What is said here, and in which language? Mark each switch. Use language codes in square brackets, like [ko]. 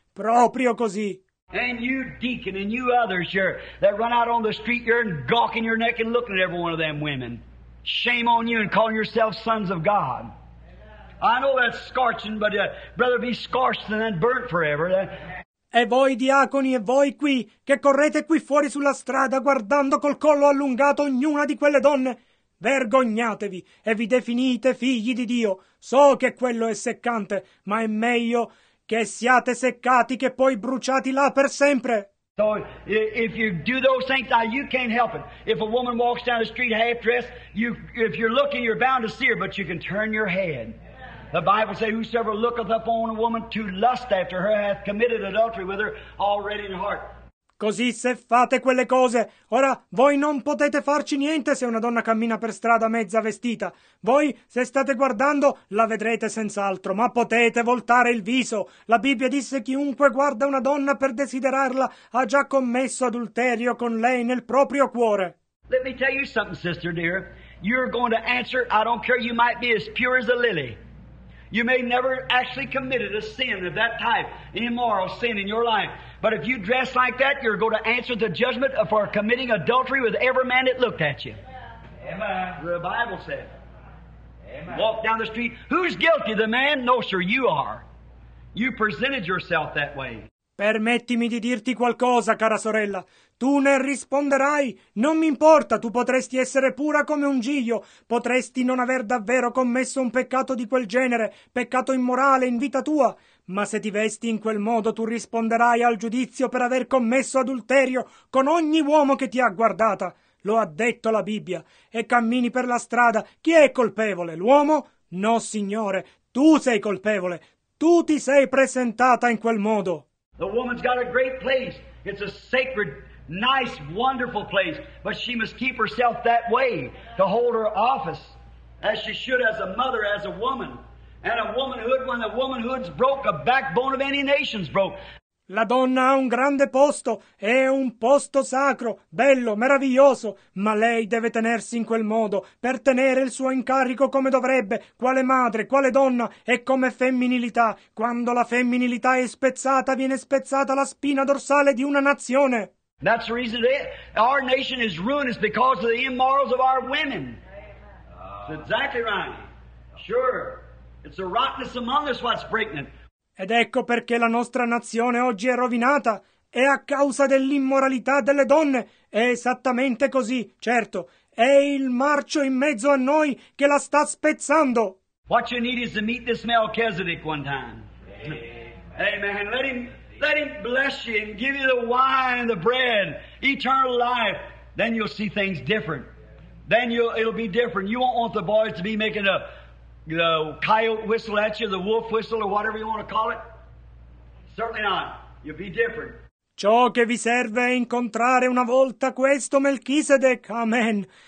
[it] Proprio così. [en] And you deacon and you others here that run out on the street, you're gawking your neck and looking at every one of them women. Shame on you and calling yourself sons of God. I know that's scorching, but rather be scorched than burnt forever. [it] E voi diaconi e voi qui che correte qui fuori sulla strada guardando col collo allungato ognuna di quelle donne, vergognatevi e vi definite figli di Dio. So che quello è seccante, ma è meglio che siate seccati che poi bruciati là per sempre. [en] So if you do those things, you can't help it. If a woman walks down the street half dressed, if you're looking, you're bound to see her, but you can turn your head. The Bible says, whosoever looketh upon a woman to lust after her hath committed adultery with her already in heart. [it] Così se fate quelle cose, ora voi non potete farci niente se una donna cammina per strada mezza vestita. Voi, se state guardando, la vedrete senz'altro, ma potete voltare il viso. La Bibbia disse, chiunque guarda una donna per desiderarla ha già commesso adulterio con lei nel proprio cuore. [en] Let me tell you something, sister dear. You're going to answer, I don't care, you might be as pure as a lily. You may never actually committed a sin of that type, an immoral sin in your life. But if you dress like that, you're going to answer the judgment for committing adultery with every man that looked at you. Amen. The Bible said. Amen. Walk down the street. Who's guilty? The man? No, sir, you are. You presented yourself that way. [it] Permettimi di dirti qualcosa, cara sorella. Tu ne risponderai. Non mi importa, tu potresti essere pura come un giglio. Potresti non aver davvero commesso un peccato di quel genere, peccato immorale in vita tua. Ma se ti vesti in quel modo, tu risponderai al giudizio per aver commesso adulterio con ogni uomo che ti ha guardata. Lo ha detto la Bibbia. E cammini per la strada. Chi è colpevole? L'uomo? No, signore. Tu sei colpevole. Tu ti sei presentata in quel modo. [en] The woman's got a great place. It's a sacred, nice, wonderful place. But she must keep herself that way to hold her office. as she should as a mother, as a woman. And a womanhood, when the womanhood's broke, a backbone of any nation's broke. [it] La donna ha un grande posto, è un posto sacro, bello, meraviglioso, ma lei deve tenersi in quel modo, per tenere il suo incarico come dovrebbe, quale madre, quale donna, e come femminilità. Quando la femminilità è spezzata, viene spezzata la spina dorsale di una nazione. [en] That's the reason that our nation is ruined, is because of the immorals of our women. That's exactly right. Sure, it's the rottenness among us what's breaking it. [it] Ed ecco perché la nostra nazione oggi è rovinata. È a causa dell'immoralità delle donne. È esattamente così, certo. È il marcio in mezzo a noi che la sta spezzando. [en] What you need is to meet this Melchizedek one time. Amen. Amen. Let him bless you and give you the wine and the bread, eternal life. Then you'll see things different. Then it'll be different. You won't want the boys to be making up. The coyote whistle at you, the wolf whistle, or whatever you want to call it? Certainly not. You'll be different. [it] Ciò che vi serve è incontrare una volta questo Melchisedec. Amen.